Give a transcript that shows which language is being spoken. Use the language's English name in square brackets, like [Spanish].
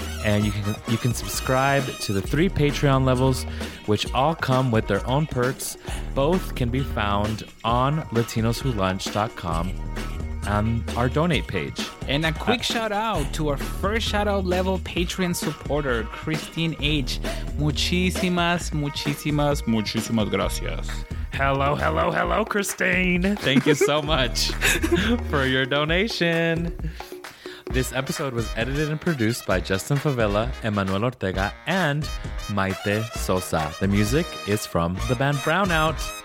[English] And you can subscribe to the 3 Patreon levels, which all come with their own perks. Both can be found on latinoswholunch.com. on our donate page. And a quick shout out to our first shout out level Patreon supporter, Christine H. [Spanish] Muchísimas, muchísimas, muchísimas gracias. [English] Hello, hello, hello, Christine. Thank you so much for your donation. This episode was edited and produced by Justin Favela, Emmanuel Ortega, and Maite Sosa. The music is from the band Brownout.